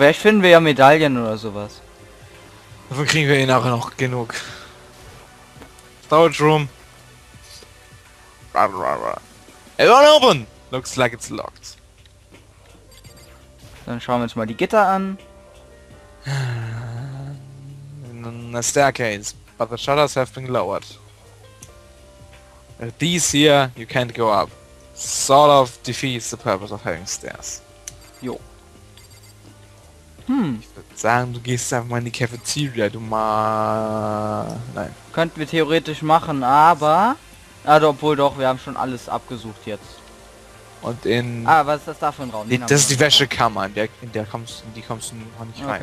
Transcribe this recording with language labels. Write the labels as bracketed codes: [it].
[de] Vielleicht finden wir ja Medaillen oder sowas. Dafür kriegen wir ihn auch noch genug. [en] Storage room. Everyone open! Looks like it's locked. [de] Dann schauen wir uns mal die Gitter an. [en] A staircase, but the shutters have been lowered. These here, you can't go up. Sort of defeats the purpose of having stairs. [de] Jo. Ich würde sagen, du gehst einfach mal in die Cafeteria, du Nein. Könnten wir theoretisch machen, aber... Also, obwohl doch, wir haben schon alles abgesucht jetzt. Und in... Ah, was ist das da für ein Raum? Das ist die Wäschekammer, in die kommst du noch nicht rein.